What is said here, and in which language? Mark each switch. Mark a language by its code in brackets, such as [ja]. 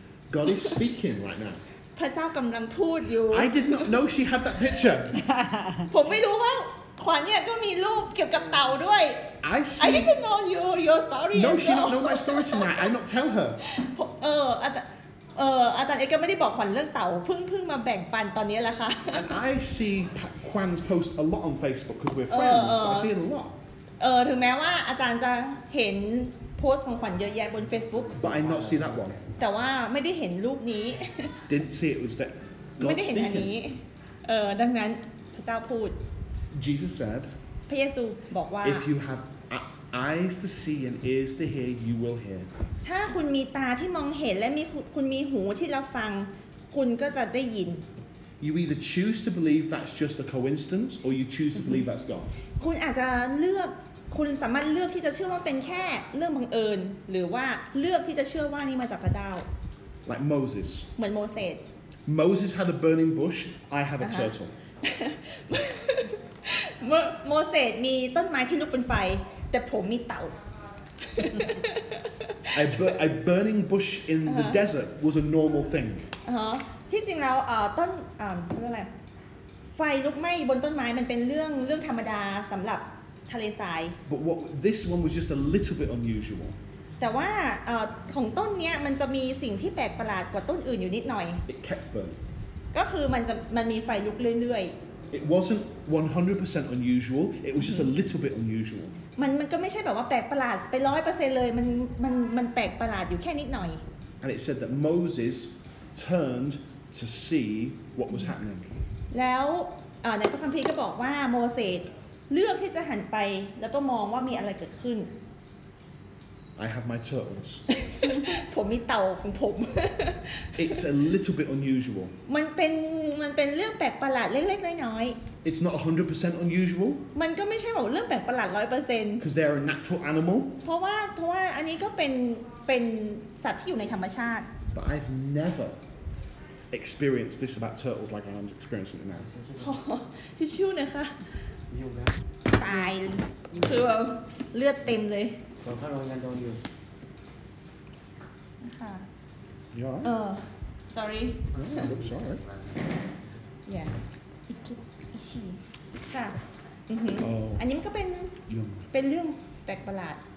[en] God is speaking right now. I did not know she had that picture. I didn't know. [th] ขวัญเนี่ยก็มีรูปเกี่ยวกับเต่าด้วย [en] I see I didn't know your story No she don't know my story tonight I not tell her [th] อาจารย์เอกก็ไม่ได้บอกขวัญเรื่องเต่าเพิ่งมาแบ่งปันตอนนี้แหละค่ะ [en] And I see Quan's post a lot on Facebook because we're friends I see it a lot [th] ถึงแม้ว่าอาจารย์จะเห็นโพสต์ของขวัญเยอะแยะบน Facebook [en] But I not see that one [th] แต่ว่าไม่ได้เห็นรูปนี้ [en] Didn't see it was that God [th] ไม่ได้เห็นอัน นี้ดังนั้นพระเจ้าพูด [en] Jesus said, If you have eyes to see and ears to hear, you will hear. [th] ถ้าคุณมีตาที่มองเห็นและคุณมีหูที่รับฟังคุณก็จะได้ยิน [en] You either choose to believe that's just a coincidence or you choose to believe that's God. [th] คุณอาจจะเลือกคุณสามารถเลือกที่จะเชื่อว่าเป็นแค่เรื่องบังเอิญหรือว่าเลือกที่จะเชื่อว่านี่มาจากพระเจ้า [en] Like Moses. [th] เหมือนโมเสส [en] Moses had a burning bush. I have a turtle. [th] โมเสสมีต้นไม้ที่ลุกเป็นไฟแต่ผมมีเต่า [en] A burning bush in the desert was a normal thing [th] ที่จริงแล้วต้นเรียกอะไรไฟลุกไหม้บนต้นไม้มันเป็นเรื่องธรรมดาสำหรับทะเลทราย [en] But what this one was just a little bit unusual [th] แต่ว่าของต้นนี้มันจะมีสิ่งที่แปลกประหลาดกว่าต้นอื่นอยู่นิดหน่อย [en] It kept burning [th] ก็คือมันมีไฟลุกเรื่อยๆ [en] It wasn't 100% unusual. It was just a little bit unusual. [th] มันก็ไม่ใช่แบบว่าแปลกประหลาดไป 100% เลยมันแปลกประหลาดอยู่แค่นิดหน่อย [en] And it said that Moses turned to see what was happening. [th] แล้วในพระคัมภีร์ก็บอกว่าโมเสสเลือกที่จะหันไปแล้วก็มองว่ามีอะไรเกิดขึ้น [en] I have my turtles. [th] ผมมีเต่าของผม [en] It's a little bit unusual. [th] มันเป็นเรื่องแปลกประหลาดเล็กๆน้อย [en] ๆ It's not 100% unusual. [th] มันก็ไม่ใช่แบบเรื่องแปลกประหลาด 100% [en] Because they are a natural animal. [th] เพราะว่าอันนี้ก็เป็นสัตว์ที่อยู่ในธรรมชาติ [en] But I've never experienced this about turtles like I'm experiencing it now. [th] ที่ชิวนะคะตายคือแบบเลือดเต็มเลย ตอนข้างโรงงานโดนอยู่ ค่ะ [en] You are? Sorry I'm sorry [th] Yeah อีกคลิปอีกชีค่ะอันนี้มันก็เป็นเรื่องแปลกประหลาด